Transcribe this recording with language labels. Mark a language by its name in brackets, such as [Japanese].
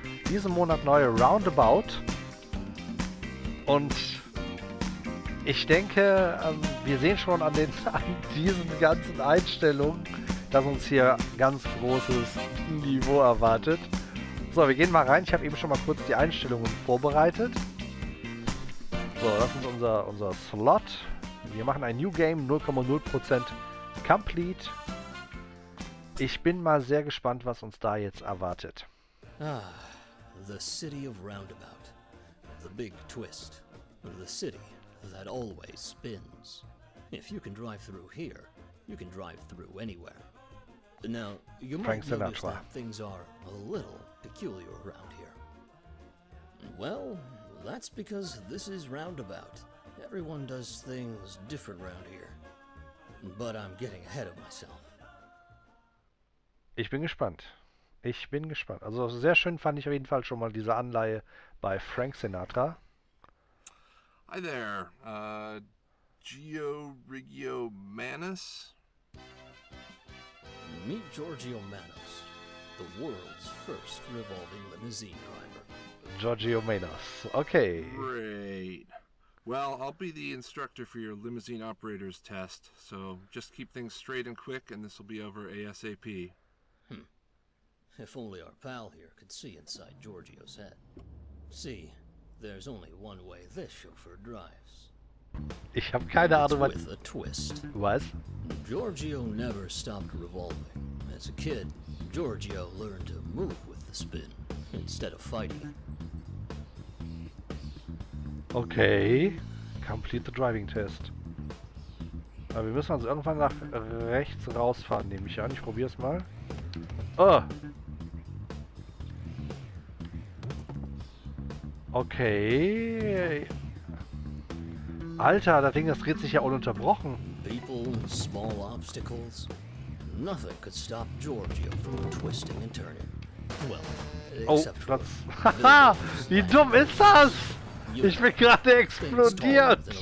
[German] Diesen Monat neue Roundabout. Und ich denke, wir sehen schon an diesen ganzen Einstellungen, dass uns hier ganz großes Niveau erwartet. So, wir gehen mal rein. Ich habe eben schon mal kurz die Einstellungen vorbereitet. So, das ist unser Slot. Wir machen ein New Game, 0,0% Complete. Ich bin mal sehr gespannt, was uns da jetzt erwartet. [English] Ah, the city of Roundabout. The big twist. The city that always spins. If you can drive through here, you can drive through anywhere. Now, you might notice that things are a little peculiar around here. Well, that's because this is Roundabout. Everyone does things different around here. But I'm getting ahead of myself. [German] Ich bin gespannt. Ich bin gespannt. Also sehr schön fand ich auf jeden Fall schon mal diese Anleihe bei Frank Sinatra. [English] Hi there. Gio Riggio Manus. Meet Giorgio Manus, the world's first revolving limousine driver. Giorgio Manus. Okay. Great. Well, I'll be the instructor for your limousine operator's test, so just keep things straight and quick, and this will be over ASAP. Hmm. If only our pal here could see inside Giorgio's head. See, there's only one way this chauffeur drives. [German] Ich habe keine Ahnung, [English] with a twist. [German] Was? [English] Giorgio never stopped revolving. As a kid, Giorgio learned to move with the spin, instead of fighting. Okay, complete the driving test. [German] Aber wir müssen also irgendwann nach rechts rausfahren, nehme ich an. Ich probiere es mal. Oh! Okay. Alter, das Ding, das dreht sich ja ununterbrochen. [English] People, small obstacles. Nothing could stop Giorgio from twisting and turning. Well, except for... [German] Haha! Wie dumm ist das? Ich bin gerade explodiert.